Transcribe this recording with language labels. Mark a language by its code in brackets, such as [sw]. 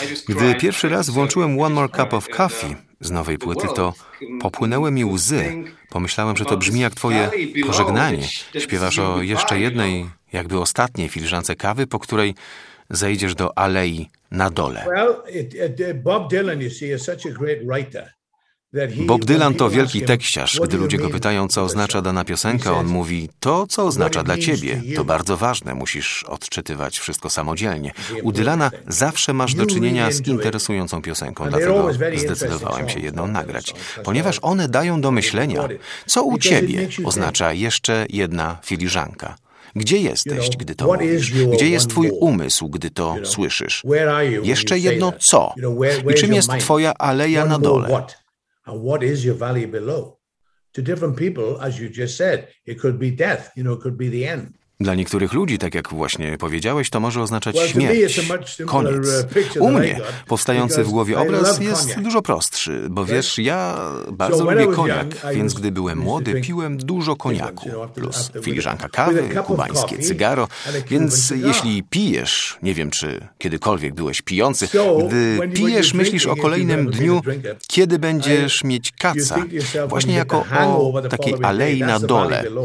[pl] Gdy pierwszy raz włączyłem One More Cup of Coffee z nowej płyty, to popłynęły mi łzy. Pomyślałem, że to brzmi jak twoje pożegnanie. Śpiewasz o jeszcze jednej, jakby ostatniej filiżance kawy, po której zejdziesz do alei na dole. [en] Bob Dylan, you see, is such a great writer. [pl] Bob Dylan to wielki tekściarz. Gdy ludzie go pytają, co oznacza dana piosenka, on mówi, to, co oznacza dla ciebie, to bardzo ważne, musisz odczytywać wszystko samodzielnie. U Dylana zawsze masz do czynienia z interesującą piosenką, dlatego zdecydowałem się jedną nagrać. Ponieważ one dają do myślenia, co u ciebie oznacza jeszcze jedna filiżanka. Gdzie jesteś, gdy to mówisz? Gdzie jest twój umysł, gdy to słyszysz? Jeszcze jedno co? I czym jest twoja aleja na dole? [en] And what is your valley below? To different people, as you just said, it could be death, you know, it could be the end. [pl] Dla niektórych ludzi, tak jak właśnie powiedziałeś, to może oznaczać śmierć, koniec. U mnie powstający w głowie obraz jest dużo prostszy, bo wiesz, ja bardzo lubię koniak, więc gdy byłem młody, piłem dużo koniaku, plus filiżanka kawy, kubańskie cygaro, więc jeśli pijesz, nie wiem, czy kiedykolwiek byłeś pijący, gdy pijesz, myślisz o kolejnym dniu, kiedy będziesz mieć kaca, właśnie jako o takiej alei na dole.